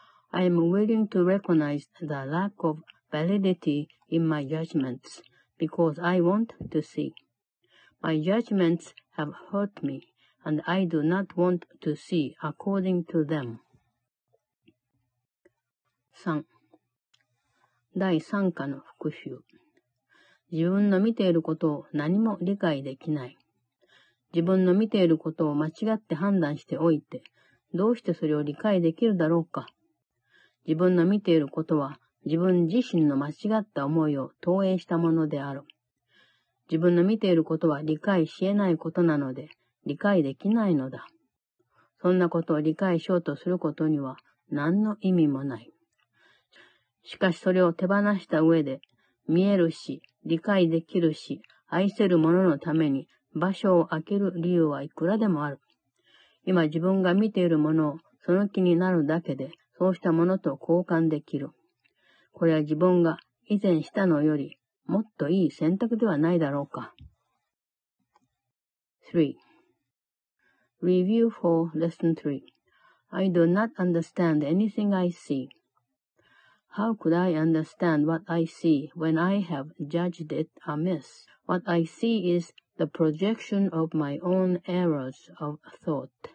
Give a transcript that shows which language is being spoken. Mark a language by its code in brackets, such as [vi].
[en] I am willing to recognize the lack of validity in my judgments, because I want to see. My judgments have hurt me, and I do not want to see according to them. 3. [ja] 第3課の復習自分の見ていることを何も理解できない。自分の見ていることを間違って判断しておいて、どうしてそれを理解できるだろうか。自分の見ていることは自分自身の間違った思いを投影したものである。自分の見ていることは理解しえないことなので、理解できないのだ。そんなことを理解しようとすることには何の意味もない。しかしそれを手放した上で、見えるし、理解できるし、愛せる者のために場所を空ける理由はいくらでもある。今自分が見ているものをその気になるだけで、そうしたものと交換できる。これは自分が以前したのよりもっといい選択ではないだろうか。 3. [en] Review for Lesson 3. I do not understand anything I see. How could I understand what I see when I have judged it amiss? What I see is the projection of my own errors of thought.